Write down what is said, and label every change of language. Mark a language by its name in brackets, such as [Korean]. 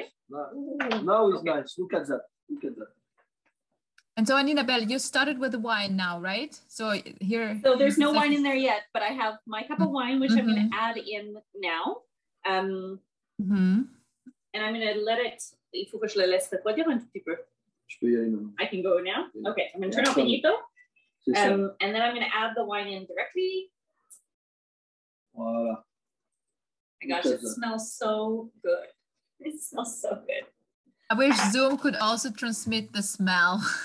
[English] Now it's nice. Look at that. And so, Anina Belle, you started with the wine now, right? So here. So there's no wine in there yet, but I have my cup of wine, which I'm going to add in now. And I'm going to let it. [French] Il faut que je le laisse refroidir un petit peu. [English] I can go now. Okay, I'm going to turn off the heat though. And then I'm going to add the wine in directly. [French] Voilà. [English] My gosh, it smells so good. It smells so good. I wish Zoom could also transmit the smell.